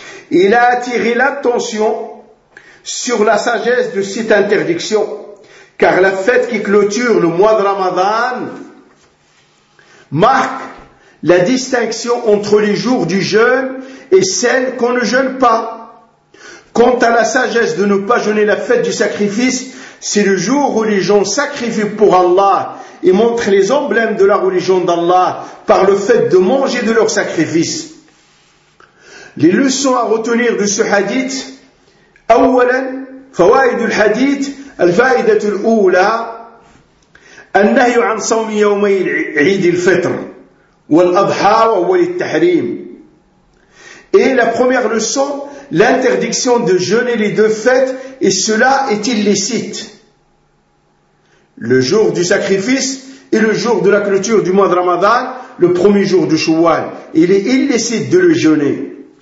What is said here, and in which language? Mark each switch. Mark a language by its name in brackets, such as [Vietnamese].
[French] Il a attiré l'attention sur la sagesse de cette interdiction, car la fête qui clôture le mois de Ramadan marque la distinction entre les jours du jeûne et celles qu'on ne jeûne pas. Quant à la sagesse de ne pas jeûner la fête du sacrifice, c'est le jour où les gens sacrifient pour Allah et montrent les emblèmes de la religion d'Allah par le fait de manger de leurs sacrifices. Les leçons à retenir de ce hadith, [Arabic] أولا فوائد الحديث الفائدة الأولى النهي عن صوم يومي عيد الفطر والأضحى وهو للتحريم. [French] Et la première leçon, l'interdiction de jeûner les deux fêtes, et cela est illicite. Le jour du sacrifice et le jour de la clôture du mois de Ramadan, le premier jour du Shawwal, il est illicite de le jeûner.